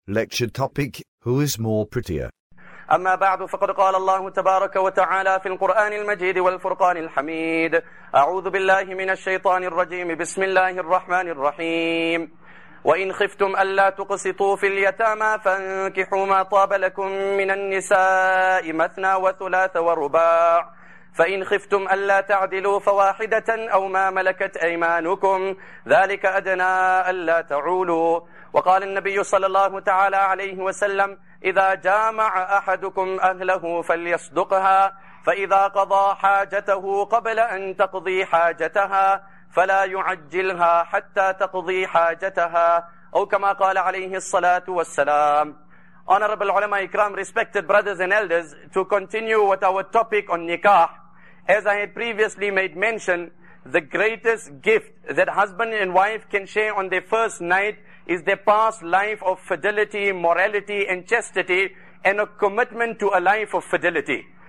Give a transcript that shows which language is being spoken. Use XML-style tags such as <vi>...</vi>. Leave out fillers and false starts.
<en>Lecture topic, who is more prettier?</en> <ar>أما بعد فقد قال الله تبارك وتعالى في القرآن المجيد والفرقان الحميد أعوذ بالله من الشيطان الرجيم بسم الله الرحمن الرحيم وإن خفتم ألا تقسطوا في اليتامى فانكحوا ما طاب لكم من النساء مثنى وثلاث ورباع فإن خفتم ألا تعدلوا فواحدة أو ما ملكت أيمانكم ذلك أدنى ألا تعولوا وقال النبي صلى الله تعالى عليه وسلم إذا جامع أحدكم أهله فليصدقها فإذا قضى حاجته قبل أن تقضي حاجتها فلا يعجلها حتى تقضي حاجتها أو كما قال عليه الصلاة والسلام.</ar> <en>Honorable ulama ikram, respected brothers and elders, to continue with our topic on nikah, as I had previously made mention, the greatest gift that husband and wife can share on their first night is their past life of fidelity, morality, and chastity, and a commitment to a life of fidelity.</en>